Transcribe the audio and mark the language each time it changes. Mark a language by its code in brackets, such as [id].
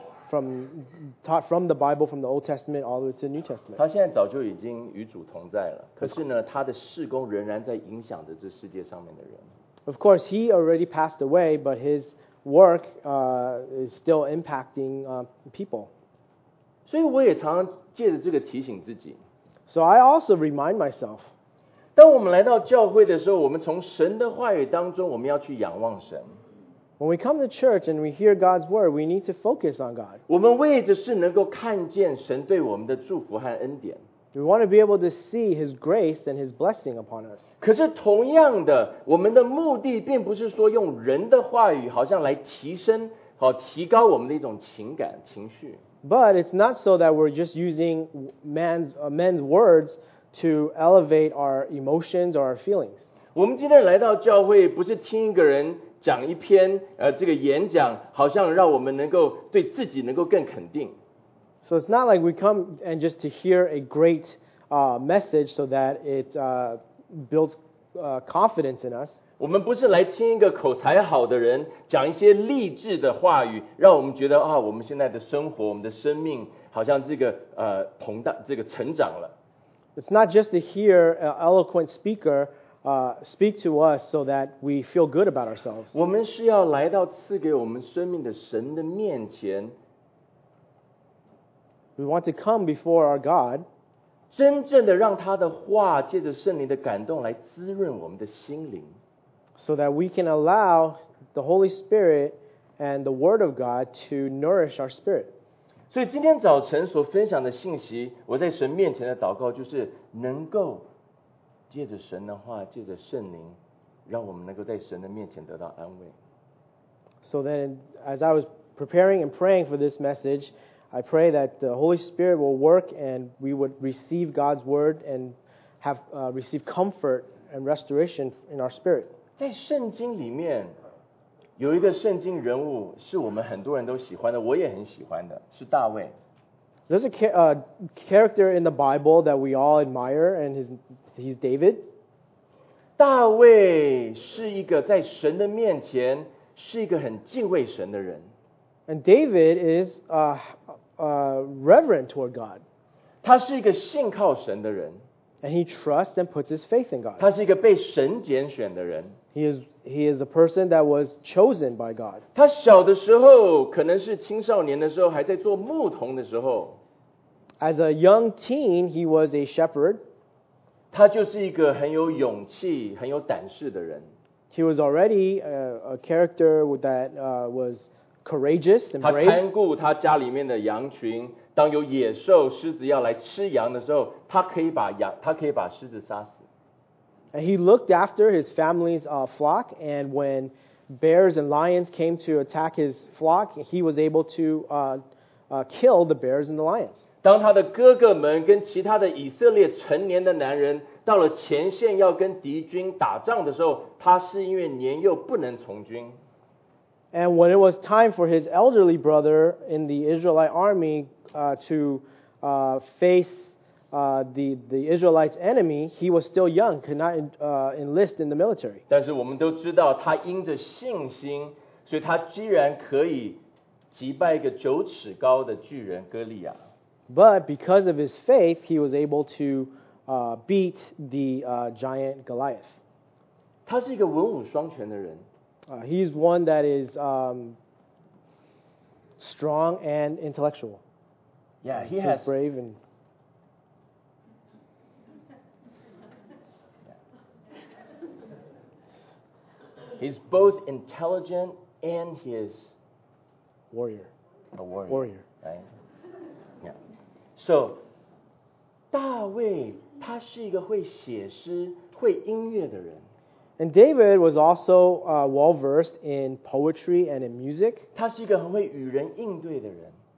[en] He's taught from the Bible from the Old Testament all the way to the New Testament. [zh] 他现在早就已经与主同在了，可是呢，他的事工仍然在影响着这世界上面的人。 [en] Of course, he already passed away, but his work is still impacting people. [zh] 所以我也常借着这个提醒自己。 [en] So I also remind myself. [zh] 当我们来到教会的时候，我们从神的话语当中，我们要去仰望神。 [en] When we come to church and we hear God's word, we need to focus on God. [zh] 我们为的是能够看见神对我们的祝福和恩典。 [en] We want to be able to see His grace and His blessing upon us. [zh] 可是同样的，我们的目的并不是说用人的话语好像来提升，好提高我们的一种情感情绪。 [en] But it's not so that we're just using men's words to elevate our emotions or our feelings. [zh] 我们今天来到教会，不是听一个人讲一篇这个演讲，好像让我们能够对自己能够更肯定。 [en] So it's not like we come and just to hear a great message so that it builds confidence in us. [zh] 我们不是来听一个口才好的人讲一些励志的话语，让我们觉得啊，我们现在的生活，我们的生命好像这个膨大，这个成长了。 [en] It's not just to hear an eloquent speaker speak to us so that we feel good about ourselves. [zh] 我们是要来到赐给我们生命的神的面前。 [en] We want to come before our God, [zh] 真正的让他的话借着圣灵的感动来滋润我们的心灵 [en] ，so that we can allow the Holy Spirit and the Word of God to nourish our spirit. [zh] 所以今天早晨所分享的信息，我在神面前的祷告就是能够借着神的话，借着圣灵，让我们能够在神的面前得到安慰。 [en] So then, as I was preparing and praying for this message, I pray that the Holy Spirit will work and we would receive God's word and have receive comfort and restoration in our spirit. [zh] 在圣经里面有一个圣经人物是我们很多人都喜欢的，我也很喜欢的，是大卫。 [en] There's a character in the Bible that we all admire, and he's David. [zh] 大卫是一个在神的面前是一个很敬畏神的人。 [en] And David is reverent toward God. [zh] 他是一个信靠神的人。 [en] And he trusts and puts his faith in God. [zh] 他是一个被神拣选的人。 [en] He is a person that was chosen by God. [zh] 他小的时候，可能是青少年的时候，还在做牧童的时候。 [en] As a young teen, he was a shepherd. [zh] 他就是一个很有勇气，很有胆识的人。 [en] He was already a character that was... courageous and brave. [zh] 他看顾他家里面的羊群，当有野兽狮子要来吃羊的时候，他可以把狮子杀死。 [en] And he looked after his family's flock, and when bears and lions came to attack his flock, he was able to kill the bears and the lions. [zh] 当他的哥哥们跟其他的以色列成年的男人到了前线要跟敌军打仗的时候，他是因为年幼不能从军。 [en] And when it was time for his elderly brother in the Israelite army to face the Israelites' enemy, he was still young, could not enlist in the military. [zh] 但是我们都知道他因着信心，所以他居然可以击败一个九尺高的巨人哥利亚。 [en] But because of his faith, he was able to beat the giant Goliath. [zh] 他是一个文武双全的人。 [en] He's one that is strong and intellectual. Yeah, he has brave and he's both intelligent and he is warrior. A warrior. Warrior. Right? Yeah. [zh] So, 大卫他是一个会写诗、会音乐的人。 [en] And David was also well-versed in poetry and in music. [zh] 他是一个很会与人应对的人。